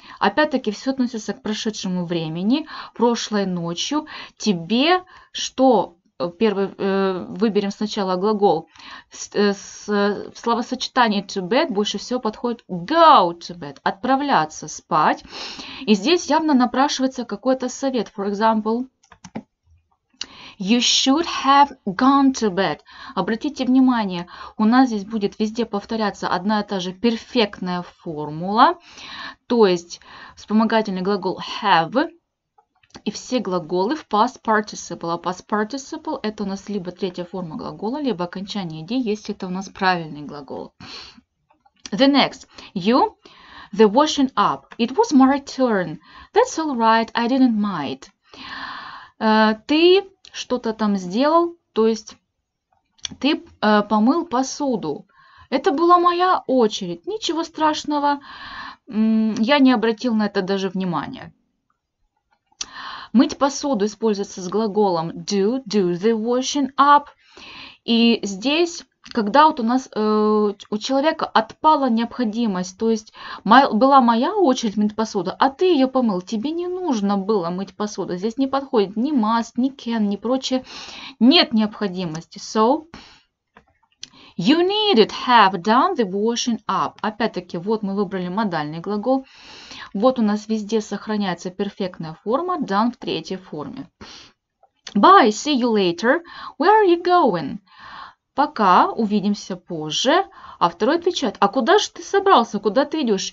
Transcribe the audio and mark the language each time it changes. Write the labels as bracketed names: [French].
[Russian] Опять-таки, все относится к прошедшему времени, прошлой ночью. Тебе что? Первый, выберем сначала глагол. В словосочетании to bed больше всего подходит [English] go to bed, [Russian] отправляться спать. И здесь явно напрашивается какой-то совет. [English] For example, you should have gone to bed. [Russian] Обратите внимание, у нас здесь будет везде повторяться одна и та же перфектная формула. То есть вспомогательный глагол have и все глаголы в past participle. А past participle это у нас либо третья форма глагола, либо окончание -ed, если это у нас правильный глагол. [English] The next. You, the washing up. It was my turn. That's all right, I didn't mind. [Russian] Ты что-то там сделал, то есть ты помыл посуду. Это была моя очередь, ничего страшного. Я не обратил на это даже внимания. Мыть посуду используется с глаголом do, [English] do the washing up. [Russian] И здесь, когда вот у нас у человека отпала необходимость, то есть была моя очередь мыть посуду, а ты ее помыл, тебе не нужно было мыть посуду. Здесь не подходит ни must, ни can, ни прочее. Нет необходимости. [English] So, you needed have done the washing up. [Russian] Опять-таки, вот мы выбрали модальный глагол. Вот у нас везде сохраняется перфектная форма done в третьей форме. [English] Bye, see you later. Where are you going? [Russian] Пока, увидимся позже. А второй отвечает, а куда же ты собрался, куда ты идешь?